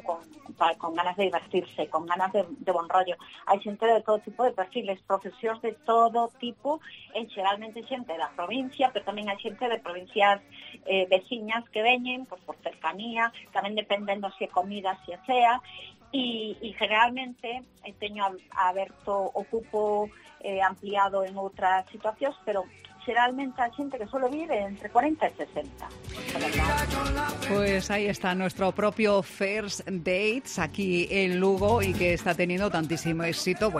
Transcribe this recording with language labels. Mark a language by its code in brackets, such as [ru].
[es] Con ganas de divertirse, con ganas de buen rollo. Hay gente de todo tipo de perfiles, profesores de todo tipo, generalmente gente de la provincia, pero también hay gente de provincias vecinas que vienen, pues por cercanía, también dependiendo si es comida, si es sea. [gl] Y generalmente teño aberto o cupo ampliado en outras situacións, pero xeralmente a xente que solo vive entre 40 e 60. [es] Pues ahí está nuestro propio First Dates aquí en Lugo y que está teniendo tantísimo éxito.